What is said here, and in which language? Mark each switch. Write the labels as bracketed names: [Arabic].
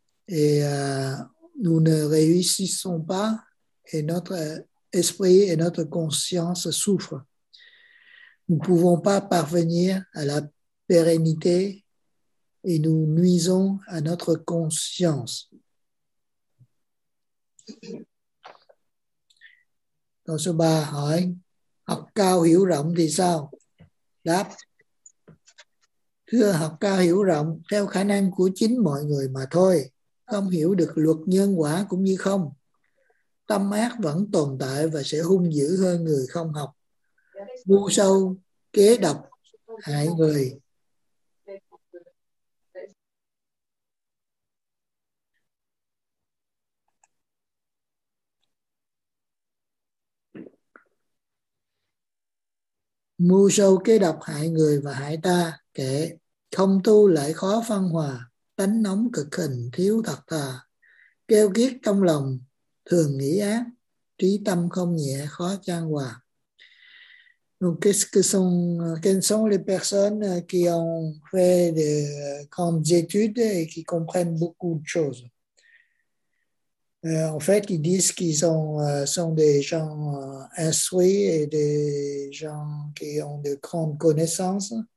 [French] et nous ne réussissons pas et notre esprit et notre conscience souffrent. Nous ne pouvons pas parvenir à la pérennité et nous nuisons à notre conscience. [Vietnamese] Câu số 3 hỏi, học cao hiểu rộng thì sao? Đáp, thưa học cao hiểu rộng theo khả năng của chính mọi người mà thôi, không hiểu được luật nhân quả cũng như không. Tâm ác vẫn tồn tại và sẽ hung dữ hơn người không học. Ngu sâu, kế độc, hại người. Mưu sâu kế độc hại người và hại ta, kể không tu lại khó phân hòa, tánh nóng cực hình, thiếu thật thà, kêu kiết trong lòng, thường nghĩ ác, trí tâm không nhẹ, khó chan hòa. [French] Donc, qu'est-ce que sont, quelles sont les personnes qui ont fait de grandes études et qui comprennent beaucoup de choses? En fait, ils disent qu'ils ont, sont des gens instruits et des gens qui ont de grandes connaissances.